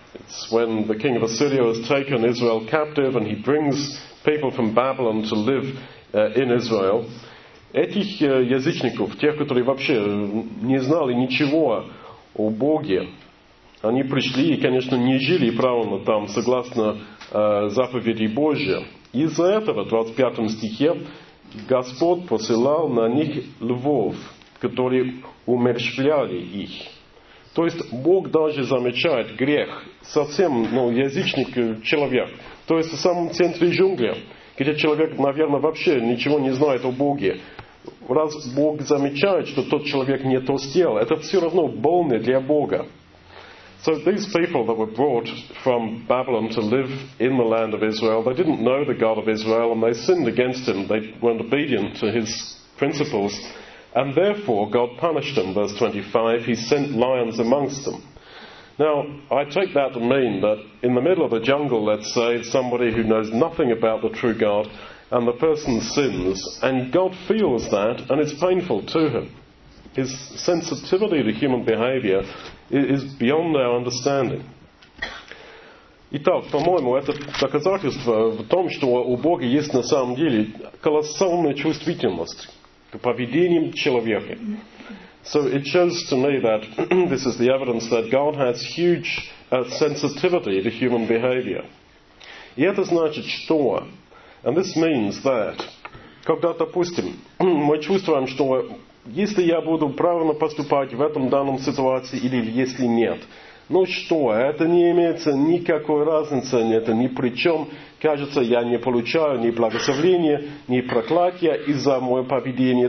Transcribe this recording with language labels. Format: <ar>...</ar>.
<en>It's when the king of Assyria has taken Israel captive and he brings people from Babylon to live in Israel.</en> <ru>Этих язычников, тех, которые вообще не знали ничего о Боге, они пришли и, конечно, не жили правильно там, согласно заповеди Божьей. Из-за этого, в 25 стихе, Господь посылал на них львов, которые умерщвляли их. То есть Бог даже замечает грех совсем, ну, язычник, человек. То есть в самом центре джунгля, где человек, наверное, вообще ничего не знает о Боге. Раз Бог замечает, что тот человек не то сделал, это все равно больно для Бога.</ru> <en>So these people that were brought from Babylon to live in the land of Israel, they didn't know the God of Israel and they sinned against him. They weren't obedient to his principles. And therefore God punished them, verse 25, he sent lions amongst them. Now, I take that to mean that in the middle of the jungle, let's say, somebody who knows nothing about the true God, and the person sins, and God feels that, and it's painful to him. His sensitivity to human behavior is beyond our understanding.</en> <ru>Итак, по-моему, это доказательство в том, что у Бога есть на самом деле колоссальная чувствительность к поведению человека.</ru> <en>So it shows to me that this is the evidence that God has huge sensitivity to human behavior.</en> <ru>И это значит, что...</ru> <en>And this means that,</en> <ru>когда, допустим, мы чувствуем, что если я буду правильно поступать в этом данном ситуации или если нет, ну что, это не имеется никакой разницы, это ни при чем. Кажется, я не получаю ни благословения, ни проклятия из-за моего поведения.</ru>